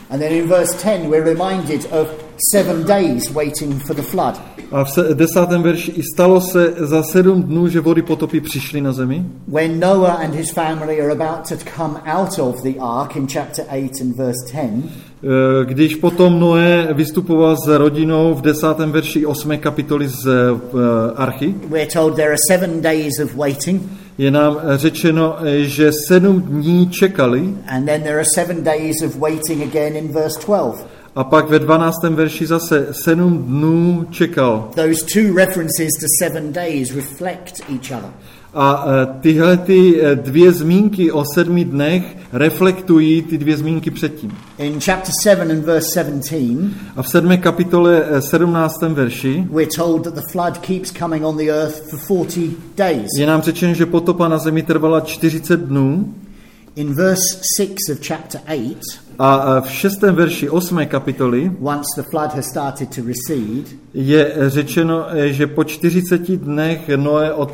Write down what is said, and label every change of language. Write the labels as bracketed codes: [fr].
[en] And then in verse 10 we're reminded of 7 days waiting for the flood. [cs] A v 10. verši i stalo se za 7 dnů, že vody potopy přišly na zemi. [en] When Noah and his family are about to come out of the ark in chapter 8 and verse 10. [cs] Když potom Noé vystupoval s rodinou v 10. verši 8. kapitoly z archy. [en] We're told there are 7 days of waiting. [cs] Je nám řečeno, že 7 dní čekali. [en] And then there are 7 days of waiting again in verse 12. [cs] A pak ve 12. verši zase 7 dnů čekal. [en] Those two references to 7 days reflect each other. [cs] A tyhle ty dvě zmínky o 7 dnech reflektují ty dvě zmínky předtím. [en] In chapter 7 and verse 17. [cs] A v 7. kapitole 17. verši. [en] We're told that the flood keeps coming on the earth for 40 days. [cs] Je nám řečeno, že potopa na zemi trvala 40 dnů. [en] In verse 6 of chapter 8. [cs] A v 6. verši 8. kapitoly. [en] Once the flood has started to recede. [cs] Je řečeno, že po 40 dnech Noé